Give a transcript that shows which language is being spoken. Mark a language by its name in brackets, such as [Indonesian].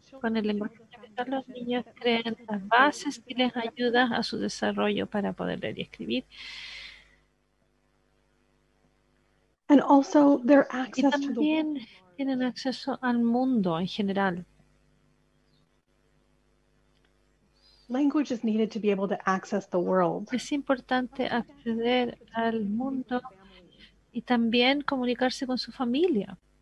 [Spanish] Con el lenguaje de señas, los niños crean las bases y les ayuda a su desarrollo para poder leer y escribir. [English] And also their access [Spanish] y también tienen acceso al mundo en general. [English] Language is needed to be able to access the world. [Spanish] Es importante acceder al mundo y también comunicarse con su familia.